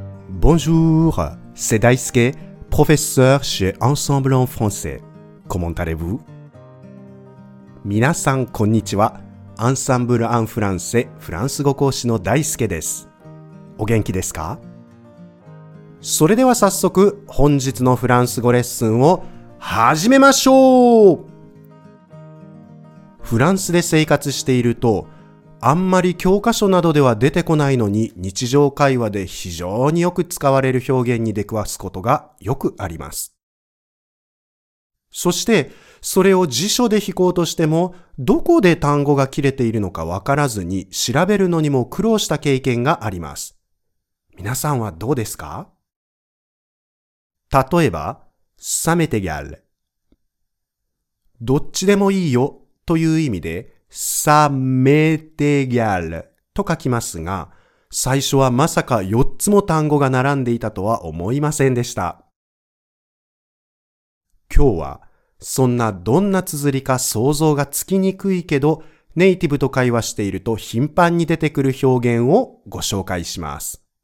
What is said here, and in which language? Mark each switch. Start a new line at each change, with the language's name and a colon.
French: Bonjour, c'est Daisuke, professeur chez Ensemble en français. Comment allez-vous?
Japanese: 皆さんこんにちは。アンサンブルアンフランセフランス語講師の大輔です。お元気ですか？それでは早速本日のフランス語レッスンを始めましょう。フランスで生活していると、あんまり教科書などでは出てこないのに日常会話で非常によく使われる表現に出くわすことがよくあります。そして、それを辞書で引こうとしても、どこで単語が切れているのかわからずに調べるのにも苦労した経験があります。皆さんはどうですか？例えば、ça m'est égal。どっちでもいいよという意味で、ça m'est égal と書きますが、最初はまさか4つも単語が並んでいたとは思いませんでした。今日は、そんなどんな綴りか想像がつきにくいけど、ネイティブと会話していると頻繁に出てくる表現をご紹介します。